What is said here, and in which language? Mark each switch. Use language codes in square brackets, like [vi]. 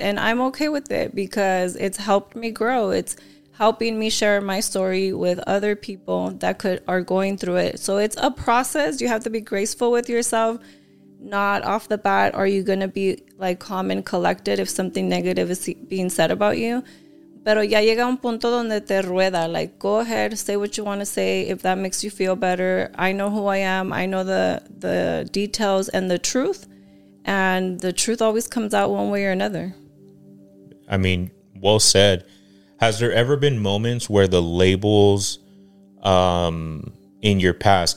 [en] And I'm okay with it because it's helped me grow. It's helping me share my story with other people that are going through it. So it's a process. You have to be graceful with yourself. Not off the bat are you going to be like calm and collected if something negative is being said about you. [es] Pero ya llega un punto donde te rueda. [en] Like, go ahead, say what you want to say. If that makes you feel better, I know who I am. I know the details and the truth. And the truth always comes out one way or another. I mean, well said. Has there ever been moments where the labels in your past?